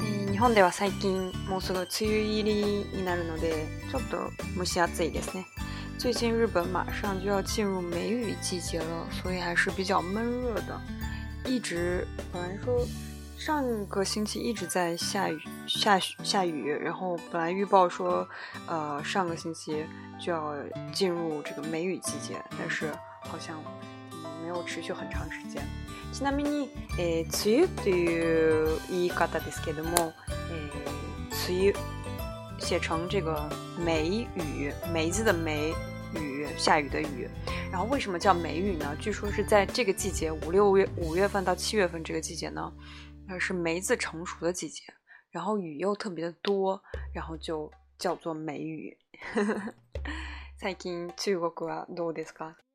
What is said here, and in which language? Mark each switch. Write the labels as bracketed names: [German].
[Japanese] 日本では最近もうすぐ梅雨入りになるので、ちょっと蒸し暑いですね。 [Chinese] 最近日本马上就要进入梅雨季节了，所以还是比较闷热的。一直本来说上个星期一直在下雨，然后本来预报说，上个星期就要进入这个梅雨季节，但是好像没有持续很长时间。 [Japanese] ちなみに、梅雨という言い方ですけども、 [Chinese] 梅雨写成这个梅雨，梅子的梅。雨，下雨的雨，然后为什么叫梅雨呢？据说是在这个季节，五月份到七月份这个季节呢，是梅子成熟的季节，然后雨又特别的多，然后就叫做梅雨。 [Japanese] 最近中国はどうですか？